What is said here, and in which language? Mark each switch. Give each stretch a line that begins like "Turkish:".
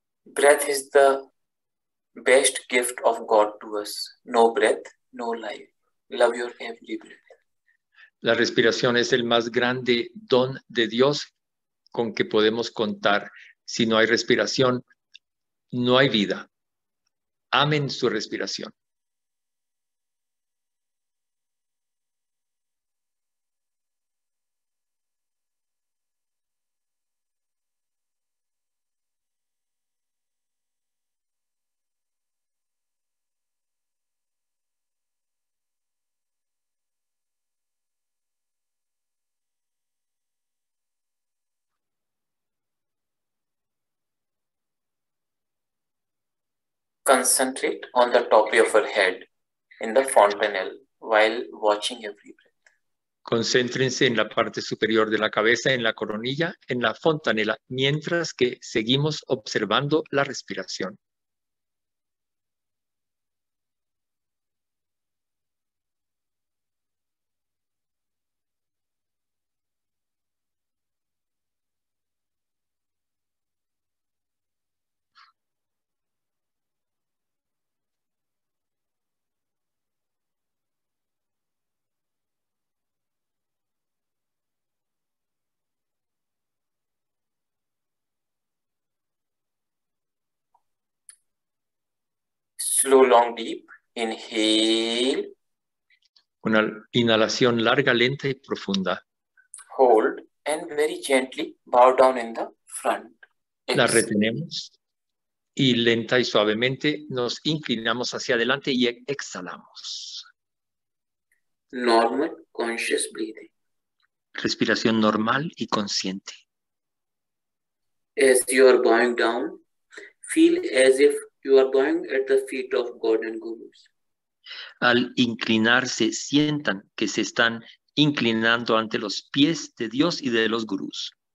English: Breath is the best gift of God to us. No breath, no life. Love your every breath.
Spanish: La respiración es el más grande don de Dios con que podemos contar. Si no hay respiración, no hay vida. Amen su respiración.
English: Concentrate on the top of your head in the fontanel while watching every breath.
Spanish: Concéntrense en la parte superior de la cabeza, en la coronilla, en la fontanela, mientras que seguimos observando la respiración.
English: Slow, long, deep. Inhale.
Spanish: Una inhalación larga, lenta y profunda.
English: Hold and very gently bow down in the front.
Spanish: La retenemos y lenta y suavemente nos inclinamos hacia adelante y exhalamos.
English: Normal, conscious breathing.
Spanish: Respiración normal y consciente.
English: As you are bowing down, feel as if you are going at the feet of God and Gurus.
Spanish: Al inclinarse, sientan que se están inclinando ante los pies de Dios y de los Gurús.